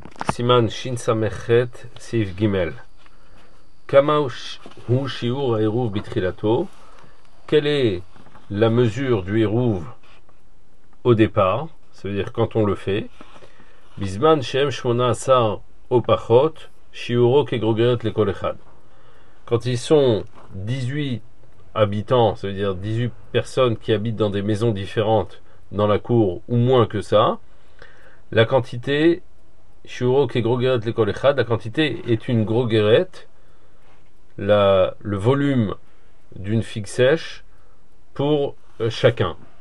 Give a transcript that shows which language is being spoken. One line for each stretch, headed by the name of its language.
Hebrew: סימן שסמ"ח סעיף ג', כמה הוא שיעור העירוב בתחילתו?
French: Quelle est la mesure du עירוב au départ? Ça veut dire quand on le fait.
Hebrew: בזמן שהם 18 או פחות, שיעורו כגרוגרת לכל אחד.
French: Quand ils sont 18 habitants, ça veut dire 18 personnes qui habitent dans des maisons différentes dans la cour ou moins que ça, la quantité
Hebrew: שיעורו כגרוגרת לכל אחד,
French: la quantité est une grogerette, le volume d'une figue sèche pour chacun.